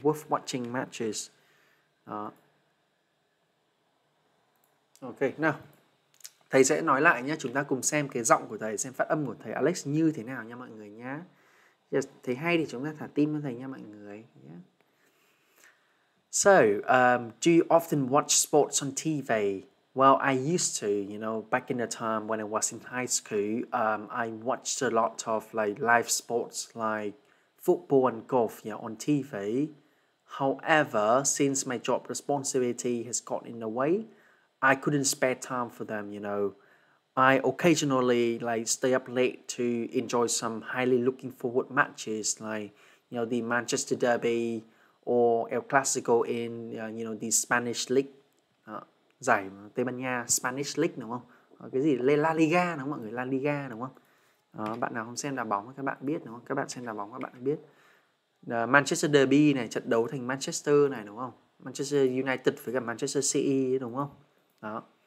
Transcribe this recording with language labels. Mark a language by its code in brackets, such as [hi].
[en] Worth watching matches. Đó. [vi] Ok, nào. Thầy sẽ nói lại nhé. Chúng ta cùng xem cái giọng của thầy, xem phát âm của thầy Alex như thế nào nha mọi người nhá. Yes, thầy hay thì chúng ta thả tim cho thầy nha mọi người. [en] Yeah. So, do you often watch sports on TV? Well, I used to, you know, back in the time when I was in high school, I watched a lot of like live sports like football and golf, yeah, on TV. However, since my job responsibility has got in the way, I couldn't spare time for them, you know. I occasionally like stay up late to enjoy some highly looking forward matches like, you know, the Manchester Derby or El Clasico in, you know, the Spanish League. [vi] Giải Tây Ban Nha, Spanish League đúng không? Cái gì? La Liga đúng không mọi người? La Liga đúng không? Đó, bạn nào không xem đá bóng các bạn biết đúng không? Các bạn xem đá bóng các bạn biết. The Manchester Derby này, trận đấu thành Manchester này đúng không? Manchester United với cả Manchester City đúng không? Đó.